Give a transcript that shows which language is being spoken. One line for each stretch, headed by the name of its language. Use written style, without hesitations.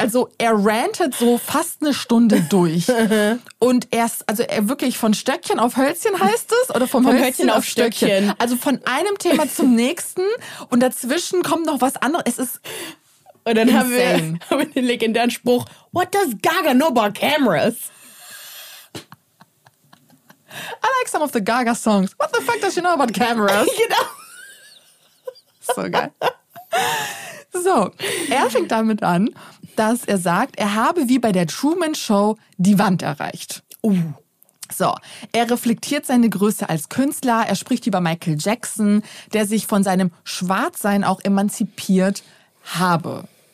German: Also er rantet so fast eine Stunde durch. Und er wirklich von Stöckchen auf Hölzchen heißt es? Oder vom Hölzchen auf Stöckchen. Stöckchen? Also von einem Thema zum nächsten und dazwischen kommt noch was anderes. Es ist und dann haben wir den legendären Spruch,
English: what does Gaga know about cameras? I like some of the Gaga songs. What the fuck does she know about cameras?
German: Genau. So geil. So, er fängt damit an, dass er sagt, er habe wie bei der Truman Show die Wand erreicht. So, er reflektiert seine Größe als Künstler, er spricht über Michael Jackson, der sich von seinem Schwarzsein auch emanzipiert habe.